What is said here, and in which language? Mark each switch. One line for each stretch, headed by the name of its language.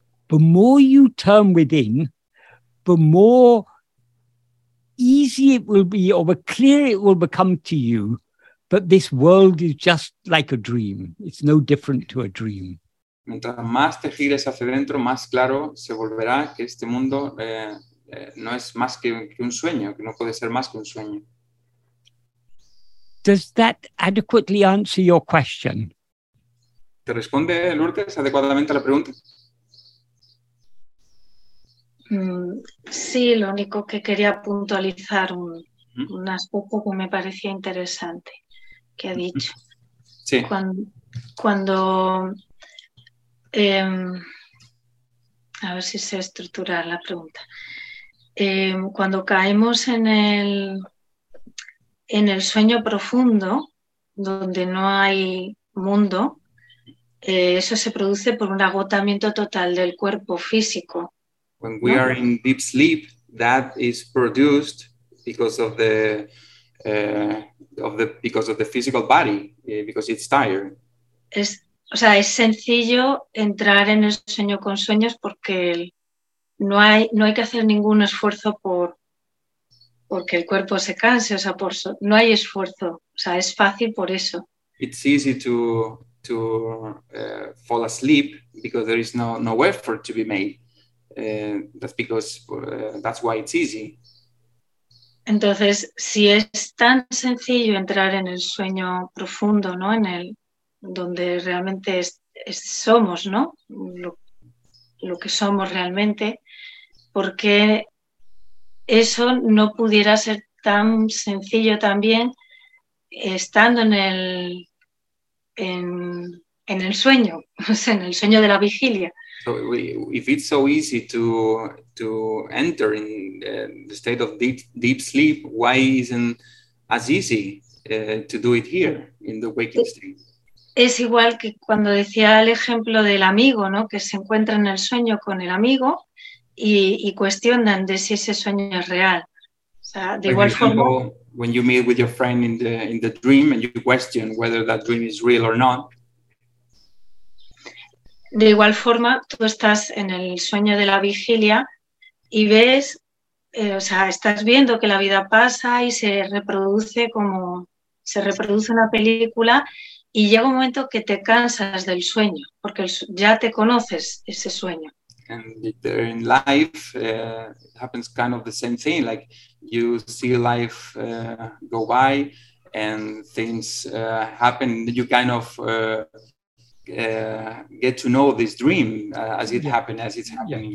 English: The more you turn within, the more easy it will be, or the clearer it will become to you, that this world is just like a dream. It's no different to a dream.
Spanish: Mientras más te gires hacia adentro, más claro se volverá que este mundo no es más que un sueño, que no puede ser más que un sueño.
English: Does that adequately answer your question?
Spanish: ¿Te responde, Lourdes, adecuadamente a la pregunta? Sí, lo único que quería puntualizar un aspecto que me parecía interesante que ha dicho. Sí. Cuando a ver si sé estructurar la pregunta. Cuando caemos en el sueño profundo, donde no hay mundo, eso se produce por un agotamiento total del cuerpo físico.
English: When we are in deep sleep, that is produced because of the physical body, because it's tired.
Spanish: Es sencillo entrar en el sueño con sueños porque no hay que hacer ningún esfuerzo porque el cuerpo se canse, no hay esfuerzo, es fácil por eso.
English: It's easy to fall asleep because there is no effort to be made. That's why it's easy.
Spanish: Entonces, si es tan sencillo entrar en el sueño profundo, ¿no? En el donde realmente somos, ¿no? Lo que somos realmente, ¿por qué eso no pudiera ser tan sencillo también estando en el sueño, en el sueño de la vigilia?
English: So if it's so easy to enter in the state of deep sleep, why isn't as easy to do it here in the waking state.
Spanish: Es igual que cuando decía el ejemplo del amigo, ¿no? Que se encuentra en el sueño con el amigo y cuestionan de si ese sueño es real. O sea, de
English: when
Spanish: igual forma.
English: When you meet with your friend in the dream and you question whether that dream is real or not.
Spanish: De igual forma, tú estás en el sueño de la vigilia y ves, o sea, estás viendo que la vida pasa y se reproduce como se reproduce una película. Y llega un momento que te cansas del sueño, porque ya te conoces ese sueño.
English: And in life, happens kind of the same thing. Like you see life go by, and things happen. You kind of get to know this dream as it happened, as it's happening.